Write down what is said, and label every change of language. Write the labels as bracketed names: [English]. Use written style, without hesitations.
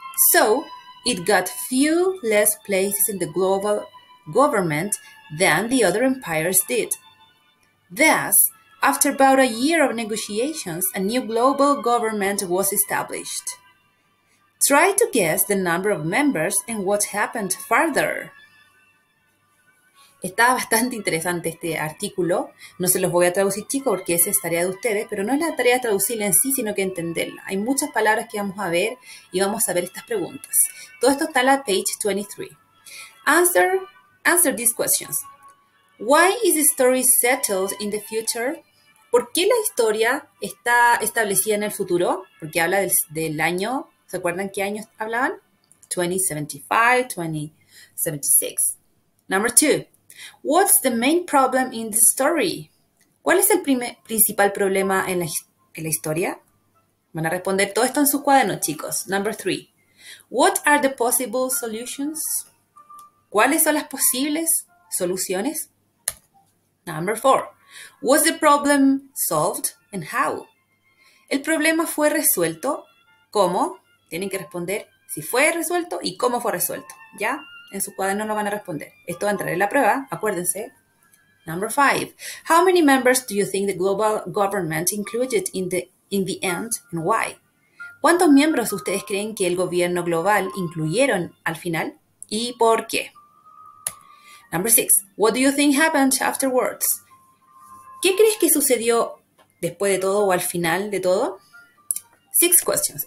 [English] So it got few less places in the global government than the other empires did. Thus, after about a year of negotiations, a new global government was established. Try to guess the number of members and what happened further. [Spanish] Está bastante interesante este artículo. No se los voy a traducir, chicos, porque esa es tarea de ustedes, pero no es la tarea de traducirla en sí, sino que entenderla. Hay muchas palabras que vamos a ver y vamos a ver estas preguntas. Todo esto está en la page 23. [English] Answer these questions. Why is the story settled in the future? [Spanish] ¿Por qué la historia está establecida en el futuro? Porque habla del año. ¿Se acuerdan qué años hablaban? 2075, 2076. [English] Number two. What's the main problem in the story? [Spanish] ¿Cuál es el principal problema en la historia? Van a responder todo esto en sus cuadernos, chicos. [English] Number three. What are the possible solutions? [Spanish] ¿Cuáles son las posibles soluciones? [English] Number four. Was the problem solved and how? [Spanish] ¿El problema fue resuelto? ¿Cómo? Tienen que responder si fue resuelto y cómo fue resuelto. ¿Ya? En su cuaderno no van a responder. Esto va a entrar en la prueba, acuérdense. [English] Number five. How many members do you think the global government included in the end and why? [Spanish] ¿Cuántos miembros ustedes creen que el gobierno global incluyeron al final y por qué? [English] Number six. What do you think happened afterwards? [Spanish] ¿Qué crees que sucedió después de todo o al final de todo? [English] Six questions.